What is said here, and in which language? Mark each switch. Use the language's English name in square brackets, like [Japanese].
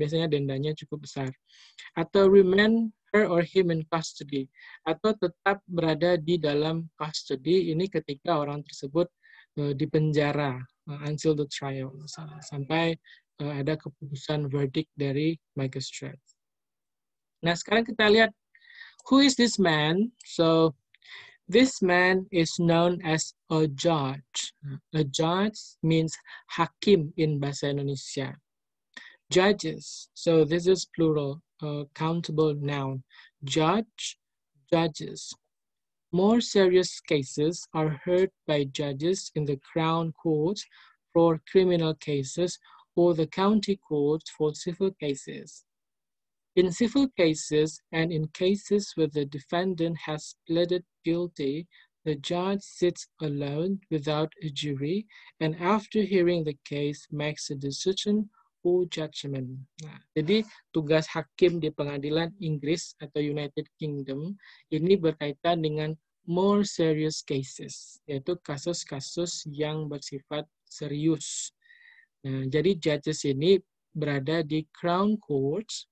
[Indonesian] Biasanya dendanya cukup besar. Atau [English] remand her or him in custody. [Indonesian] Atau tetap berada di dalam custody, ini ketika orang tersebut dipenjara, [English] until the trial, [Indonesian] sampai ada keputusan verdict dari magistrate. Nah, sekarang kita lihat, [English] who is this man? So, this man is known as a judge. A judge means hakim in bahasa Indonesia. Judges, so this is plural, countable noun. Judge, judges. More serious cases are heard by judges in the Crown Court for criminal cases or the County Court for civil cases. In civil cases and in cases where the defendant has pleaded guilty, the judge sits alone without a jury and after hearing the case makes a decision or judgment. [Indonesian] Nah, jadi tugas hakim di pengadilan Inggris atau United Kingdom ini berkaitan dengan [English] more serious cases, [Indonesian] yaitu kasus-kasus yang bersifat serius. Nah, jadi judges ini berada di Crown Court.